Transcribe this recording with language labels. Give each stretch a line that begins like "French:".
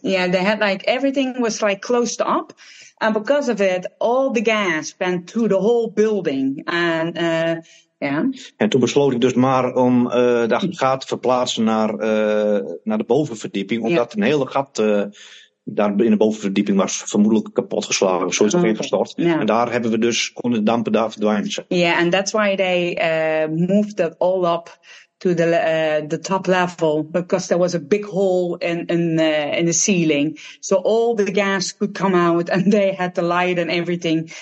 English: Yeah, they had like, everything was like closed up. And because of it, all the gas went through the whole building. And
Dutch: En toen besloot ik dus maar om de aggregaat te verplaatsen naar de bovenverdieping. Omdat een hele gat daar in de bovenverdieping was vermoedelijk kapotgeslagen. Zo is het ingestort. Yeah. En daar hebben we dus konden de dampen daar verdwijnen.
English: Yeah, and that's why they moved it all up to the top level. Because there was a big hole in the ceiling. So all the gas could come out and they had the light and everything.